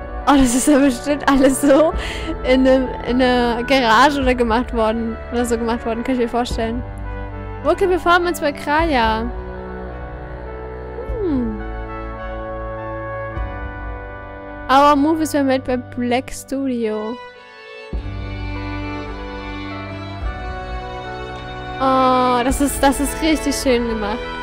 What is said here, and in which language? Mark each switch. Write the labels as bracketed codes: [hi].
[de] Oh, das ist ja bestimmt alles so in einer Garage oder gemacht worden. Oder so gemacht worden, kann ich mir vorstellen. Vocal Performance bei Kraya. Hm. [en] Our Movies were made by Black Studio. [de] Oh, das ist richtig schön gemacht.